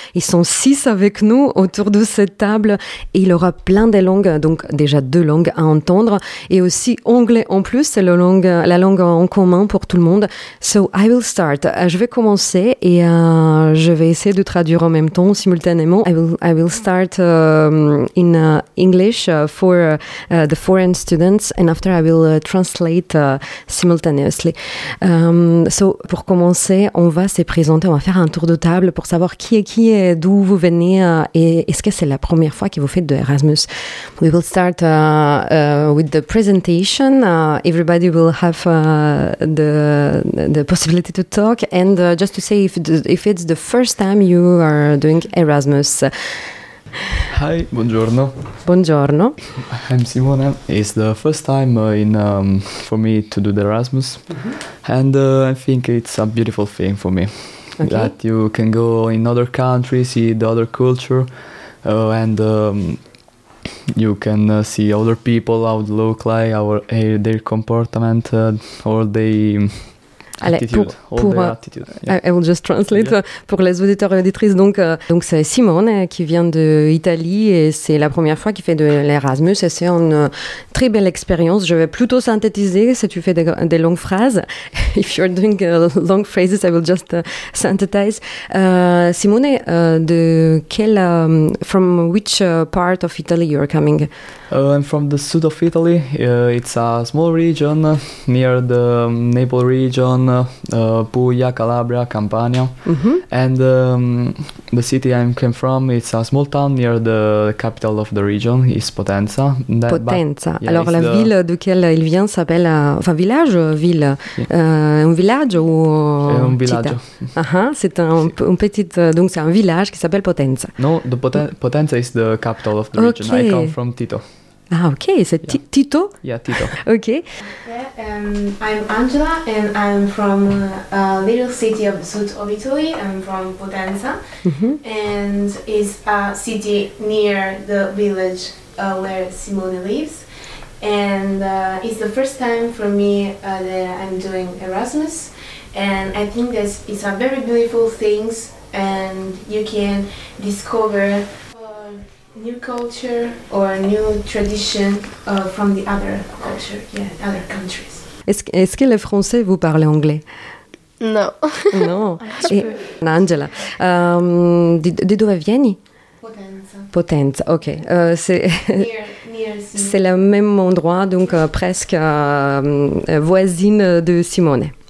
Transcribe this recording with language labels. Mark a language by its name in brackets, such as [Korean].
[French] Ils sont 6 avec nous autour de cette table et il y aura plein de langues, donc déjà 2 langues à entendre et aussi anglais en plus, c'est la langue en commun pour tout le monde. [English] So I will start, [French] je vais commencer et je vais essayer de traduire en même temps simultanément. [English] I will start in English for the foreign students and after I will translate simultaneously. [French] Pour commencer, on va se présenter, on va faire un tour de table pour savoir qui est, d'où vous venez et est-ce que c'est la première fois que vous faites de Erasmus. [English] We will start with the presentation. Everybody will have the possibility to talk and just to say if it's the first time you are doing Erasmus. Hi, buongiorno. [Italian] Buongiorno. [English] I'm Simone. It's the first time for me to do the Erasmus. And I think it's a beautiful thing for me. Okay. That you can go in other countries, see the other culture, and you can see other people, how they look like, their comportment, all their... Allez, I will just translate [French] pour les auditeurs et auditrices. Donc c'est Simone qui vient d'Italie et c'est la première fois qu'il fait de l'Erasmus et c'est une très belle expérience. Je vais plutôt synthétiser si tu fais des longues phrases. [English] If you're doing long phrases, I will just synthesize. Simone, from which part of Italy you're coming? I'm from the south of Italy. It's a small region near the Naples region. Puglia, Calabria, Campania, and the city I came from, it's a small town near the capital of the region, is Potenza. Potenza. [French] Yeah, alors la ville duquel il vient s'appelle, enfin village, ville, un village ou un village. C'est un petit, donc c'est un village qui s'appelle Potenza. [English] No, the Potenza is the capital of the region. Okay. I come from Tito. Ah, okay. So Tito? Yeah, Tito. Okay. I'm Angela and I'm from a little city of south of Italy. I'm from Potenza. And it's a city near the village where Simone lives. And it's the first time for me that I'm doing Erasmus. And I think that it's a very beautiful thing and you can discover new culture or new tradition from the other culture, other countries. [French] Est-ce que les Français vous parlent anglais? [English] No. [French] Non. Non. Angela, [Italian] de dove vieni? [French] Potenza. Potenza, ok. C'est le même endroit, donc presque voisine de Simone.